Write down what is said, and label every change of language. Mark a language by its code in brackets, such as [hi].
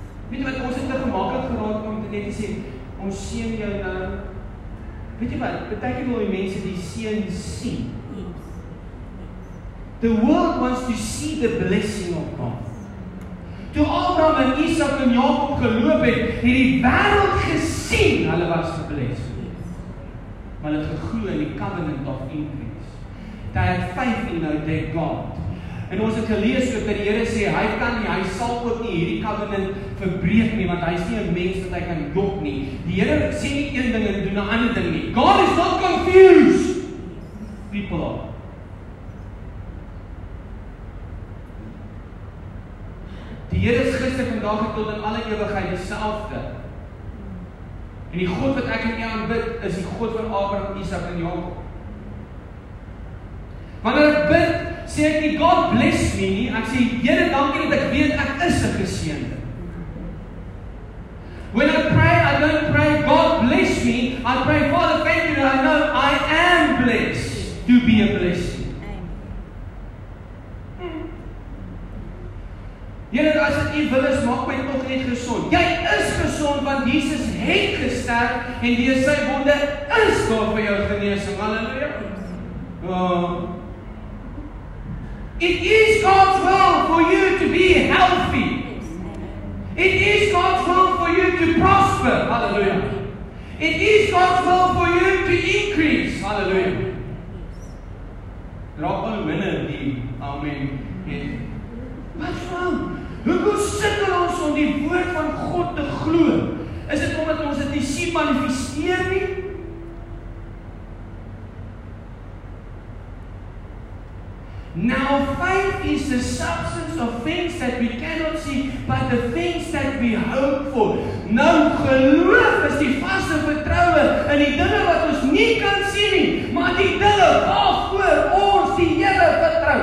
[af] Weet jy wat, ons het te gemaklik geraak om net te sê, ons seën jou nou. Weet jy wat, beteken wil die mense die seën sien. [en] The world wants to see the blessing of God. [af] Toe Abraham en Isak en Jakob geloop het, het die wêreld gesien hulle was geblesd. Maar hulle het geglo in die [en] covenant of increase. They had faith in their God. [af] En ons het gelees ook dat die Here sê hy kan nie, hy sal ook nie hierdie covenant verbreek nie, want hy is nie 'n mens wat hy kan dop nie. Die Here sê nie een ding en doen 'n ander ding nie. [en] God is not confused. People are. [af] Die Here is gister, vandag en tot in alle ewigheid dieselfde. En die God wat ek en jy aanbid, is die God van Abraham, Isak en Jakob. Wanneer ek bid, sê ek nie God bless me nie, ek sê Here, dankie dat ek weet ek is 'n geseënde. [en] When I pray, I don't pray God bless me, I pray Father, thank you that I know I am blessed to be a blessing. [af] Here, as it u wil is, maak my tog net gesond. Jy is gesond, want Jesus het gesterf, en deur sy wonde is daar vir jou genesing. Halleluja. [en] It is God's will for you to be healthy. It is God's will for you to prosper. Halleluja. It is God's will for you to increase. Halleluja. Drop a winner, die. Amen. [af] En, [en] what's wrong? [af] Hoekom sukkel ons om die woord van God te glo? Is dit omdat ons dit nie sien manifesteer nie? [en] Now faith is the substance of things that we cannot see, but the things that we hope for. [af] Nou geloof is die vaste vertroue in die dinge wat ons nie kan sien nie, maar die dinge waarvoor ons die Here vertrou.